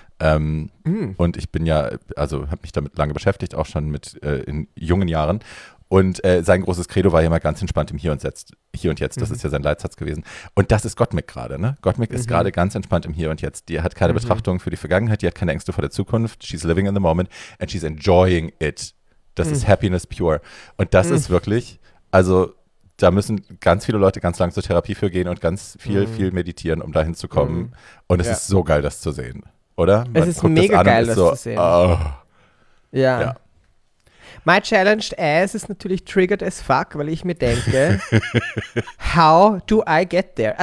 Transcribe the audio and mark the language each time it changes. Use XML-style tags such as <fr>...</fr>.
<de>Und ich bin ja, also habe mich damit lange beschäftigt, auch schon in jungen Jahren Und sein großes Credo war ja immer ganz entspannt im Hier und Jetzt. Hier und Jetzt, das ist ja sein Leitsatz gewesen. Und das ist Gottmik gerade, ne? Gottmik ist gerade ganz entspannt im Hier und Jetzt. Die hat keine Betrachtung für die Vergangenheit, die hat keine Ängste vor der Zukunft.</de> <en>She's living in the moment and she's enjoying it.</en> <de>Das ist Happiness pure. Und das ist wirklich, also da müssen ganz viele Leute ganz lang zur Therapie für gehen und ganz viel, viel meditieren, um dahin zu kommen. Und es ist so geil, das zu sehen, oder? Man es ist guckt mega das an geil, und ist so, das zu sehen.</de> <en>Oh. Ja. Ja. My challenged ass</en> <de>ist natürlich</de> <en>triggered as fuck,</en> <de>weil ich mir denke,</de> <en>how do I get there?</en>